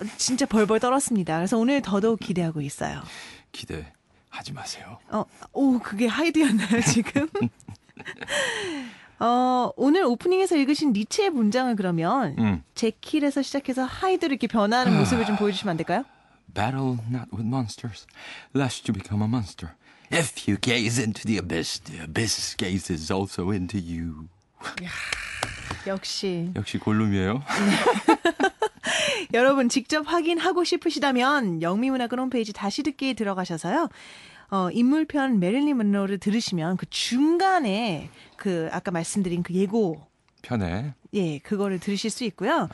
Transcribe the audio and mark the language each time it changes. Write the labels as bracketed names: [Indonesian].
[Korean] 진짜 벌벌 떨었습니다. 그래서 오늘 더더욱 기대하고 있어요. 기대하지 마세요. 그게 하이드였나요, 지금? 오늘 오프닝에서 읽으신 니체의 문장을 그러면 제킬에서 시작해서 하이드로 이렇게 변하는 모습을 좀 보여주시면 안 될까요? [English] Battle not with monsters, lest you become a monster. If you gaze into the abyss gazes also into you. [Korean] 역시 골룸이에요. 여러분 직접 확인하고 싶으시다면 영미문학원 홈페이지 다시 듣기에 들어가셔서요. 인물편 메릴린 문로를 들으시면 그 중간에 그 아까 말씀드린 그 예고 편에 예 그거를 들으실 수 있고요.